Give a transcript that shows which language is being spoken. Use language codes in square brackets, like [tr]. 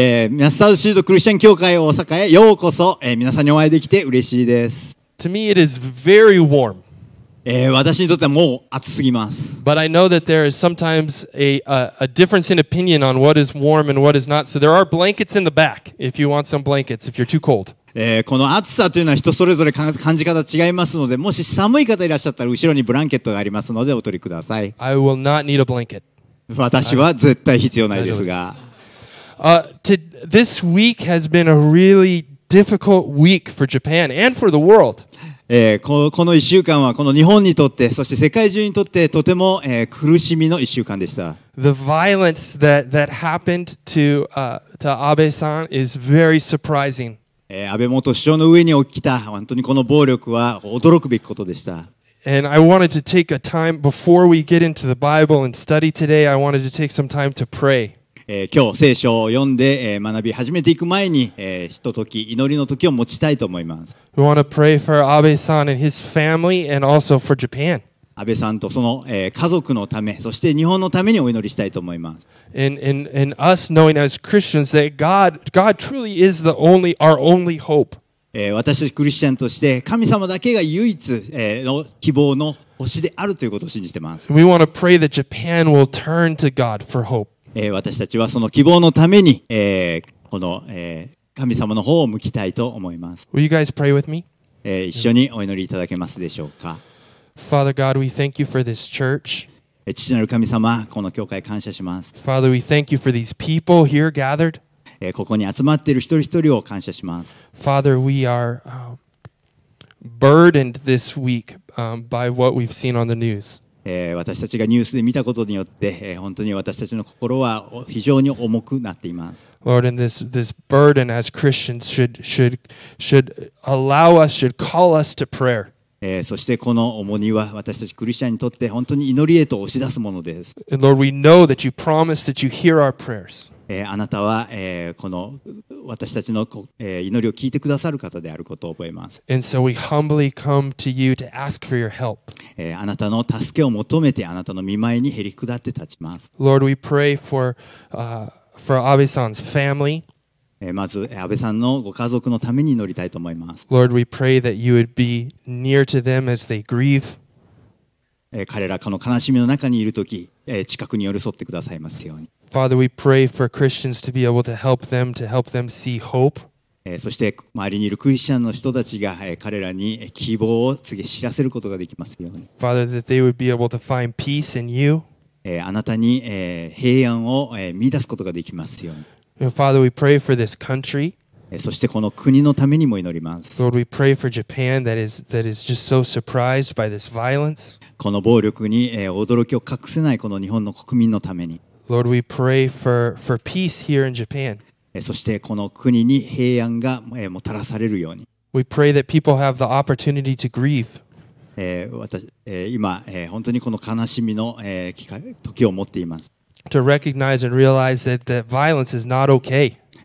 [ja] マスタードシードクリスチャン教会大阪へようこそ。皆さんにお会いできて嬉しいです。 [en] To me, it is very warm. [ja] 私にとってはもう暑すぎます。 [en] But I know that there is sometimes a difference in opinion on what is warm and what is not. So there are blankets in the back if you want some blankets if you're too cold. [ja] この暑さというのは人それぞれ感じ方違いますので、もし寒い方いらっしゃったら後ろにブランケットがありますのでお取りください。 [en] I will not need a blanket. [ja] 私は絶対必要ないですが、 [en] This week has been a really difficult week for Japan and for the world. [ja] この1週間はこの日本にとって、そして世界中にとってとても、苦しみの1週間でした。 [en] The violence that happened to Abe-san is very surprising. [ja] 安倍元首相の上に起きた本当にこの暴力は驚くべきことでした。 [en] And I wanted to take a time before we get into the Bible and study today. I wanted to take some time to pray. [ja] 今日聖書を読んで学び始めていく前に一時祈りの時を持ちたいと思います。 [en] We want to pray for Abe-san and his family and also for Japan. [ja] 安倍さんとその家族のため、そして日本のためにお祈りしたいと思います。 [en] And us knowing as Christians that God truly is the only, our only hope. [ja] 私たちクリスチャンとして神様だけが唯一の希望の星であるということを信じてます。 [en] We want to pray that Japan will turn to God for hope. [ja] 私たちはその希望のためにこの神様の方を向きたいと思います。 [en] Will you guys pray with me? [ja] 一緒にお祈りいただけますでしょうか。 [en] Father God, we thank you for this church. [ja] 父なる神様、この教会感謝します。 [en] Father, we thank you for these people here gathered. [ja] ここに集まっている一人一人を感謝します。 [en] Father, we are burdened this week by what we've seen on the news. [ja] 私たちがニュースで見たことによって、本当に私たちの心は非常に重くなっています。 [en] Lord, and this burden as Christians should allow us, should call us to prayer. [ja] そしてこの重荷は私たちクリスチャンにとって本当に祈りへと押し出すものです。 [en] Lord, we know that you promise that you hear our prayers. [ja] あなたはこの私たちの祈りを聞いてくださる方であることを覚えます。 [en] And so we humbly come to you to ask for your help. [ja] あなたの助けを求めてあなたの御前にへり下って立ちます。 [en] Lord, we pray for Abe-san's family. [ja] まず安倍さんのご家族のために祈りたいと思います。 [en] Lord, we pray that you would be near to them as they grieve. [ja] 彼らこの悲しみの中にいるとき近くに寄り添ってくださいますように。 [en] Father, we pray for Christians to be able to help them see hope. [ja] そして周りにいるクリスチャンの人たちが彼らに希望を告げ知らせることができますように。 [en] Father, that they would be able to find peace in you. [ja] あなたに平安を見出すことができますように。 [en] Father, we pray for this country. [ja] そしてこの国のためにも祈ります。 [en] Lord, we pray for Japan that is just so surprised by this violence. [ja] この暴力に驚きを隠せないこの日本の国民のために。 [en] Lord, we pray for peace here in Japan. [ja] そしてこの国に平安がもたらされるように。 [en] We pray that people have the opportunity to grieve. [ja] 今本当にこの悲しみの時を持っています。 [en] To recognize and realize that violence is not okay.